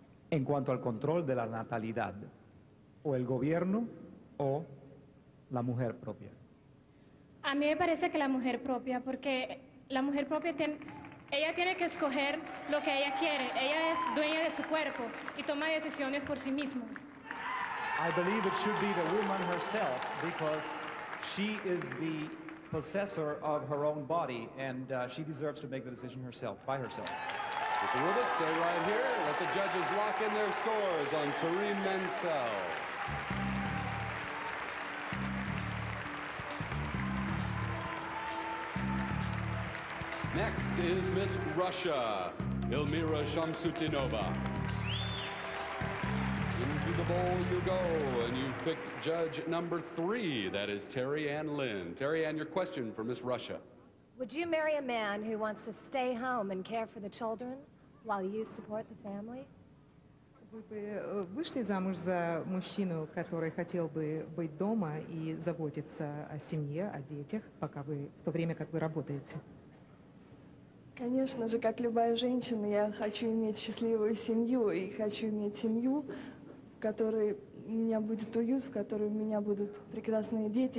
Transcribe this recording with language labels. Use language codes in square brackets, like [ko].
[es] En cuanto al control de la natalidad, o el gobierno o la mujer propia? A mí me parece que la mujer propia, porque la mujer propia tiene, ella tiene que escoger lo que ella quiere. Ella es dueña de su cuerpo y toma decisiones por sí misma. [en] I believe it should be the woman herself because she is the possessor of her own body and she deserves to make the decision herself, by herself. Ms. Aruba, stay right here. Let the judges lock in their scores on Taryn Mansell. Next is Miss Russia, Elmira Shamsutdinova. Into the bowl you go, and you picked judge number 3. That is Terry Ann Lynn. Terry Ann, your question for Miss Russia. Would you marry a man who wants to stay home and care for the children while you support the family? [ru] Вы бы вышли замуж за мужчину, который хотел бы быть дома и заботиться о семье, о детях, пока вы в то время, как вы работаете? Конечно же, как любая женщина, я хочу иметь счастливую семью и хочу иметь семью, в которой у меня будет уют, в которой у меня будут прекрасные дети.